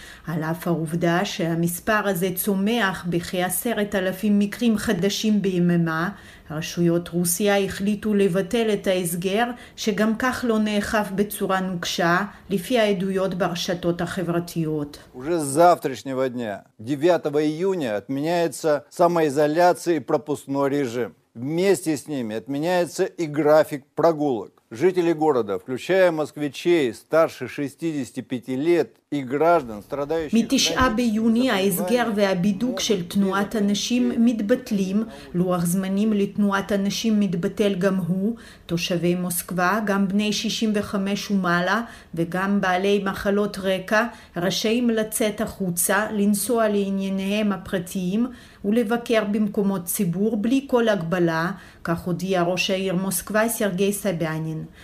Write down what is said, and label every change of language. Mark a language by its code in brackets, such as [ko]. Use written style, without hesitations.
[he] על אף העובדה שהמספר הזה צומח בכ-10,000 מקרים חדשים ביממה, הרשויות רוסיה החליטו לבטל את ההסגר, שגם כך לא נאכף בצורה נוקשה, לפי העדויות ברשתות החברתיות. [ru] Уже с завтрашнего дня, 9 июня, отменяется самоизоляция и пропускной режим. Вместе с ними отменяется и график прогулок. Жители города, включая москвичей старше 65 лет и граждан, страдающих... [he] מ-9 ביוני ההסגר והבידוק של תנועת אנשים מתבטלים, לוח זמנים לתנועת אנשים מתבטל גם הוא, תושבי מוסקבה, גם בני 65 ומעלה, וגם בעלי מחלות רקע, רשאים לצאת החוצה, לנסוע לענייניהם הפרטיים, ולבקר במקומות ציבור בלי כל הגבלה, כך הודיע ראש העיר מוסקבה סרגי סביאנין.